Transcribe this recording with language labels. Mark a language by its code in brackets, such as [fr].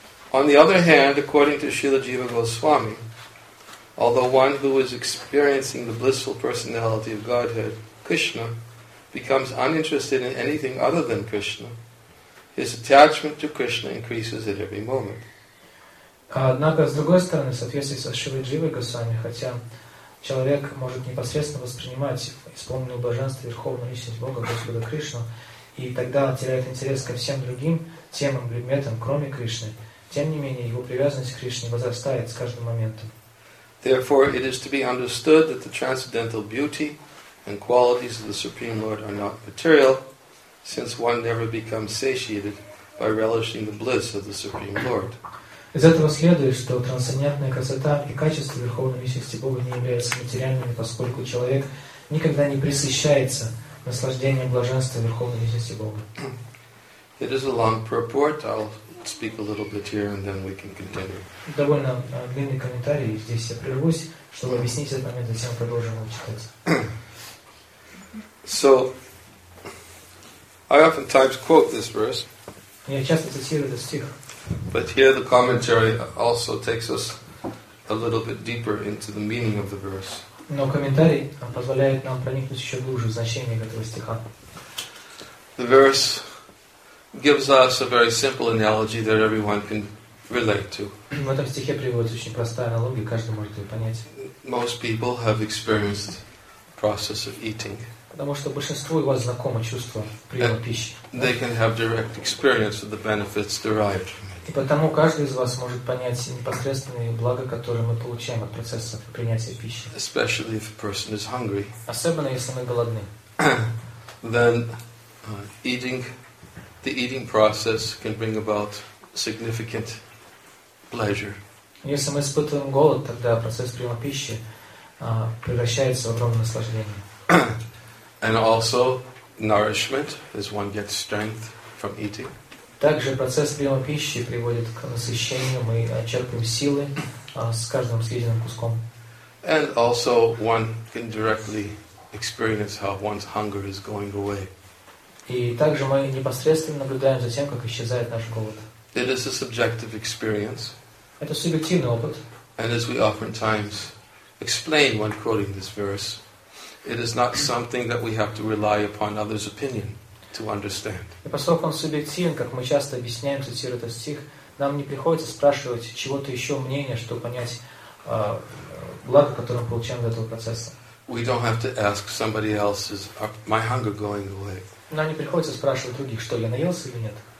[en] On the other hand, according to Srila Jiva Goswami, although one who is experiencing the blissful personality of Godhead, Krishna, becomes uninterested in anything other than Krishna, his attachment to Krishna increases at every moment. [ru] Однако, с другой стороны, в соответствии со Шрилой Дживой Госвами, хотя человек может непосредственно воспринимать исполненное блаженство Верховную Личность Бога, Господа Кришну, и тогда теряет интерес ко всем другим темам, предметам, кроме Кришны, тем не менее, его привязанность к Кришне возрастает с каждым моментом. [en] Therefore, it is to be understood that the transcendental beauty and qualities of the Supreme Lord are not material, since one never becomes satiated by relishing the bliss of the Supreme Lord. [ru] Из этого следует, что трансцендентная красота и качество Верховной Личности Бога не являются материальными, поскольку человек никогда не пресыщается наслаждением блаженства Верховной Личности Бога. [en] It is a long purport. I'll speak a little bit here, and then we can continue. [ru] Довольно длинный комментарий, здесь я прервусь, чтобы объяснить этот момент, затем продолжим его читать. [en] So, I oftentimes quote this verse. [ru] Я часто цитирую этот стих. [en] But here the commentary also takes us a little bit deeper into the meaning of the verse. [ru] Но комментарий позволяет нам проникнуть еще глубже в значение этого стиха. [en] The verse gives us a very simple analogy that everyone can relate to. [ru] В этом стихе приводится очень простая аналогия, каждый может ее понять. [en] Most people have experienced the process of eating. [ru] Потому что большинство у вас знакомо чувство приема пищи. [en] They can have direct experience of the benefits derived. [ru] И потому каждый из вас может понять непосредственные блага, которые мы получаем от процесса принятия пищи. [en] Especially if a person is hungry. [ru] Особенно если мы голодны. [en] then eating, the eating process can bring about significant pleasure. [ru] Если мы испытываем голод, тогда процесс приема пищи превращается в огромное наслаждение. [en] And also nourishment, as one gets strength from eating. [ru] Также процесс приема пищи приводит к насыщению, мы черпаем силы с каждым съеденным куском. [en] And also one can directly experience how one's hunger is going away. [ru] И также мы непосредственно наблюдаем за тем, как исчезает наш голод. [en] It is a subjective experience. [ru] Это субъективный опыт. [en] And as we oftentimes explain when quoting this verse, it is not something that we have to rely upon others' opinion to understand. [ru] И поскольку он субъективен, как мы часто объясняем, цитируя этот стих, нам не приходится спрашивать чего-то еще мнения, чтобы понять благо, которое мы получаем от этого процесса. [en] We don't have to ask somebody else, is my hunger going away? [ru] Нам не приходится спрашивать других, что я наелся или нет.